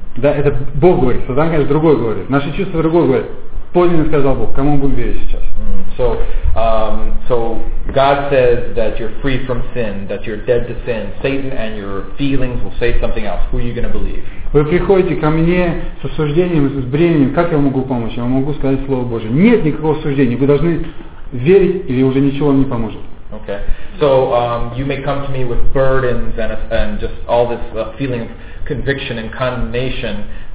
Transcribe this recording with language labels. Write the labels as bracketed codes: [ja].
[ru] Да, это Бог говорит, Сатана, конечно, другой говорит. Наши чувства другой говорят. Подлинно сказал Бог, кому будем верить сейчас? [en] So God says that you're free from sin, that you're dead to sin. Satan and your feelings will say something else. Who are you going to believe? [ru] Вы приходите ко мне с осуждением, с бременем. Как я могу помочь? Я могу сказать Слово Божие. Нет никакого осуждения. Вы должны верить, или уже ничего вам не поможет. [en] Okay. So you may come to me with burdens and just all this feeling of conviction and condemnation.